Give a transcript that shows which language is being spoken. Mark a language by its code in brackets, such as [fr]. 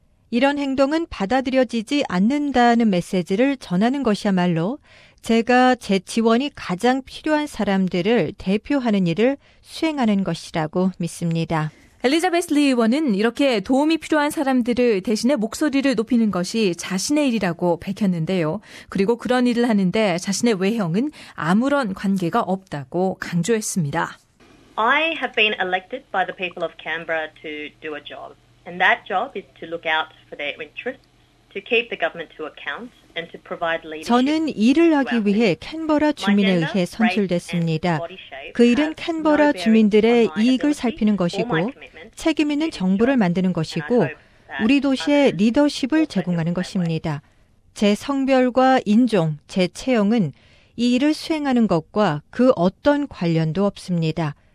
[ko] 이런 행동은 받아들여지지 않는다는 메시지를 전하는 것이야말로 제가 제 지원이 가장 필요한 사람들을 대표하는 일을 수행하는 것이라고 믿습니다. 엘리자베스 리 의원은 이렇게 도움이 필요한 사람들을 대신에 목소리를 높이는 것이 자신의 일이라고 밝혔는데요. 그리고 그런 일을 하는데 자신의 외형은 아무런 관계가 없다고 강조했습니다. [en] I have been elected by the people of Canberra to do a job. And that job is to look out for their interests, to keep the government to account. [ko] 저는 일을 하기 위해 캔버라 주민에 의해 선출됐습니다. 그 일은 캔버라 주민들의 이익을 살피는 것이고 책임 있는 정부를 만드는 것이고 우리 도시의 리더십을 제공하는 것입니다. 제 성별과 인종, 제 체형은 이 일을 수행하는 것과 그 어떤 관련도 없습니다.